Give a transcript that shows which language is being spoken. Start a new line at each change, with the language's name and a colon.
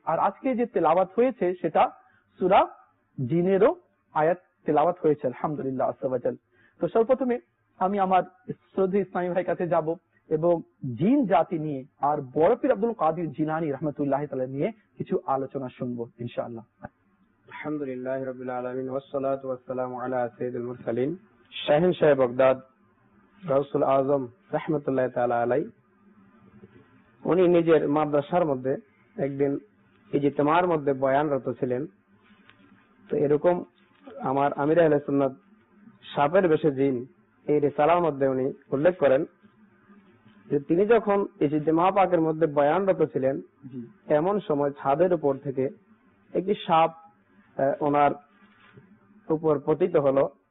Bangla: আর আজকে যে তেলাওয়াত হয়েছে সেটা সূরা জিনেরও আয়াত তেলাওয়াত হয়েছে আলহামদুলিল্লাহ আসওয়াজাল। তো সর্বপ্রথমে আমি আমার শ্রদ্ধেয় ইসলামী ভাই কাছে যাব এবং জিন জাতি নিয়ে আর বড় পীর আব্দুল কাদের জিলানী রহমতুল্লাহি তাআলা নিয়ে কিছু আলোচনা শুনবো ইনশাআল্লাহ।
Arabic: الحمد لله رب العالمين والصلاة والسلام على سيد المرسلين شاهن شاه بغداد غوث الاعظم رحمة الله تعالى عليه
Bangla: উনি নিজের মাদ্রাসার মধ্যে একদিন ইজতেমার মধ্যে বয়ানরত ছিলেন। তো এরকম আমার আমির আহলে সুন্নাত সাপের বেশে জিন এই রিসালার মধ্যে উনি উল্লেখ করেন যে তিনি যখন ইজতেমা পাকের মধ্যে বয়ানরত ছিলেন, এমন সময় ছাদের উপর থেকে একটি সাপ ওনার উপর পতিত হলো।